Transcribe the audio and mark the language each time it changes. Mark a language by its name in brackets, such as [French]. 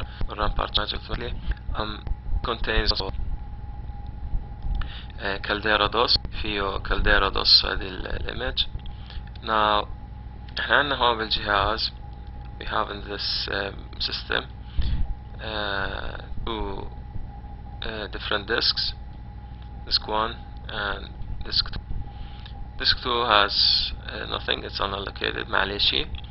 [English] Run partition magic fully. Contains also Caldera DOS. [Arabic] فيه Caldera DOS هذه الايمج. [English] Now [Arabic] احنا عندنا هون بالجهاز [English] we have in this system to different disks, disk 1 and disk 2. Disk 2 has nothing, it's unallocated, معليشي.